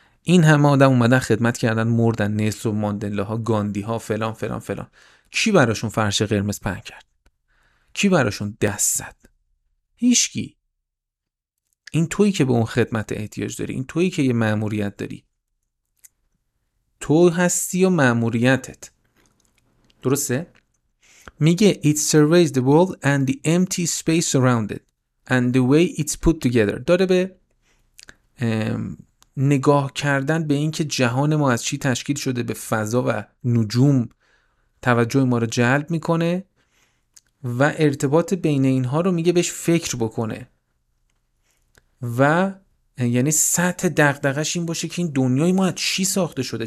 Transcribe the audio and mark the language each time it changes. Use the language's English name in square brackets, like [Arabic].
[Persian] این همه آدم اومدن خدمت کردن، مردن، نیلسون ماندلاها، گاندیها، فلان فلان فلان، کی براشون فرش قرمز پهن کرد؟ کی براشون دست زد؟ هیچکی. این تویی که به اون خدمت احتیاج داری، این تویی که یه مأموریت داری، تو هستی و مأموریتت. درسته؟ میگه [English] it surveys the world and the empty space around it and the way it's put together. [Persian] داره به نگاه کردن به این که جهان ما از چی تشکیل شده، به فضا و نجوم توجه ما رو جلب میکنه و ارتباط بین اینها رو میگه بهش فکر بکنه و یعنی سطح دغدغش این باشه که این دنیای ما از چی ساخته شده.